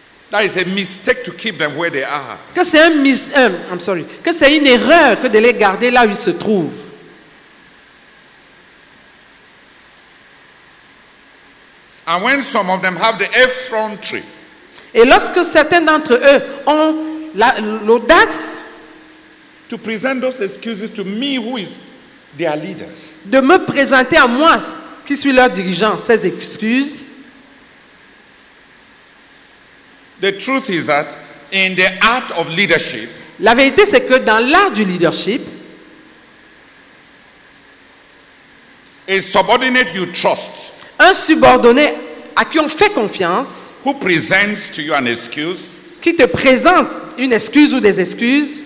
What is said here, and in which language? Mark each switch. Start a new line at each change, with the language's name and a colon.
English: That is a mistake to keep them where they are.
French: Que c'est un que c'est une erreur que de les garder là où ils se trouvent.
English: And when some of them have the effrontery.
French: Et lorsque certains d'entre eux ont l'audace
English: to present those excuses to me who is their leader.
French: De me présenter à moi, qui suis leur dirigeant, ces excuses.
English: The truth is that in the art of leadership,
French: la vérité, c'est que dans l'art du leadership,
English: a subordinate you trust,
French: un subordonné à qui on fait confiance,
English: who presents to you an excuse,
French: qui te présente une excuse ou des excuses,